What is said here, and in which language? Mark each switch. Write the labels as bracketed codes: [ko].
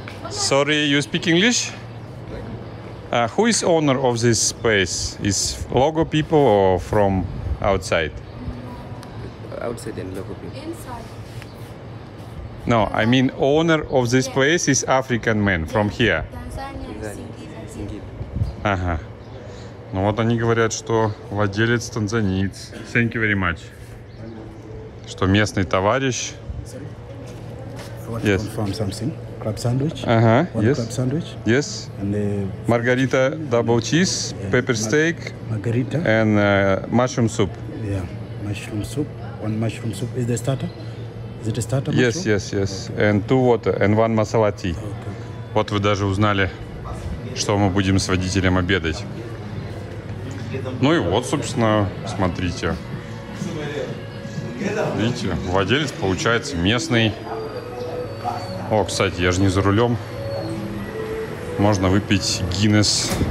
[en] Sorry, you speak English? Who is owner of this space? Is logo people or from outside? Outside and logo people. Inside. No, I mean owner of this place is African man from here. Tanzania. [ru] Ага. Ну вот они говорят, что владелец танзанец. [en] Thank you very much. [ru] Что местный товарищ. [en] Sorry. I want to confirm something. Crab sandwich. [ru] Ага, [en] yes. Crab sandwich. Yes. And the margarita double cheese, pepper steak. Margarita. And mushroom soup. Yeah, mushroom soup. One mushroom soup. Is the starter? Is it a starter? Yes, mushroom? yes. Okay. And two water and one masala tea. Okay, okay. [ru] Вот вы даже узнали, что мы будем с водителем обедать. Ну и вот, собственно, смотрите. Видите, владелец получается местный. О, кстати, я же не за рулем. Можно выпить Гиннес.